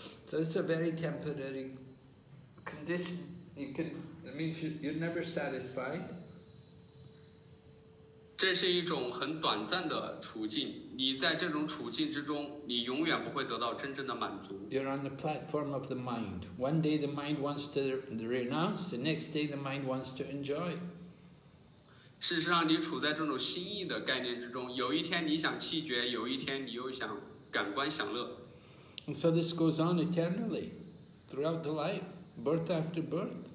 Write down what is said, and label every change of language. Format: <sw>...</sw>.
<en>So it's a very temporary condition. It means you're never satisfied.</en> <zh>这是一种很短暂的处境,你在这种处境之中,你永远不会得到真正的满足。</zh> <en>You're on the platform of the mind. One day the mind wants to renounce, the next day the mind wants to enjoy.</en> <zh>事实上你处在这种心意的概念之中,有一天你想弃绝,有一天你又想感官享乐。</zh> <en>And so this goes on eternally, throughout the life, birth after birth.</en>